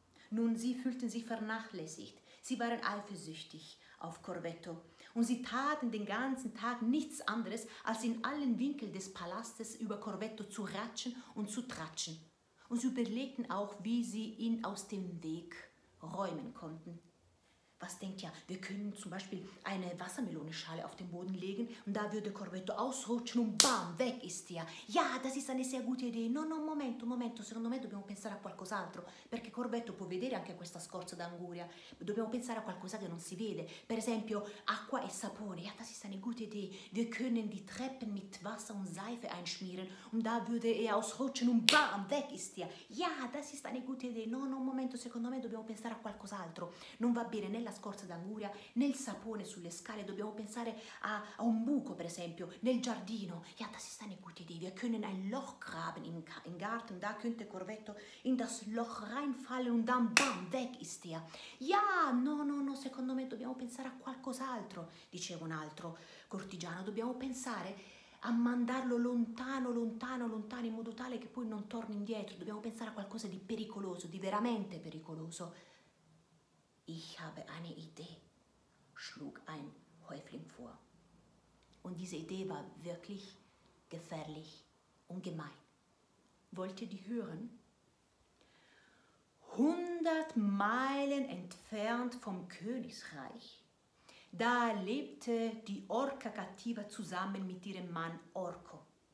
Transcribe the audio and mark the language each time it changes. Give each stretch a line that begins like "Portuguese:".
German: Nun, sie fühlten sich vernachlässigt, sie waren eifersüchtig auf Corvetto und sie taten den ganzen Tag nichts anderes, als in allen Winkeln des Palastes über Corvetto zu ratschen und zu tratschen. Und sie überlegten auch, wie sie ihn aus dem Weg räumen konnten. Was denkt ihr, wir können zum Beispiel eine Wassermelonenschale auf den Boden legen und da würde Corvetto ausrutschen und bam, weg ist er. Ja, das ist eine sehr gute Idee.
Italian: No, no, momento, momento. Secondo me dobbiamo pensare a qualcos'altro. Perché Corvetto può vedere anche questa scorza d'anguria. Dobbiamo pensare a qualcosa che non si vede. Per esempio, acqua e sapone.
German: Ja, das ist eine gute Idee. Wir können die Treppen mit Wasser und Seife einschmieren und da würde er ausrutschen und bam, weg ist er. Ja, das ist eine gute Idee.
Italian: No, no, momento. Secondo me dobbiamo pensare a qualcos'altro. Non va bene, nella scorza d'anguria, nel sapone sulle scale, dobbiamo pensare a un buco, per esempio, nel giardino.
German: Ja, das ist eine gute Idee. Wir können ein Loch graben im Garten, da könnte Corvetto in das Loch reinfallen und dann bam, weg ist er.
Italian: Ja, no, no, no, secondo me dobbiamo pensare a qualcos'altro, diceva un altro cortigiano. Dobbiamo pensare a mandarlo lontano, lontano, lontano, in modo tale che poi non torni indietro. Dobbiamo pensare a qualcosa di pericoloso, di veramente pericoloso.
German: Ich habe eine Idee, schlug ein Häufling vor. Und diese Idee war wirklich gefährlich und gemein. Wollt ihr die hören? 100 Meilen entfernt vom Königsreich, da lebte die Orca Cativa zusammen mit ihrem Mann Orco.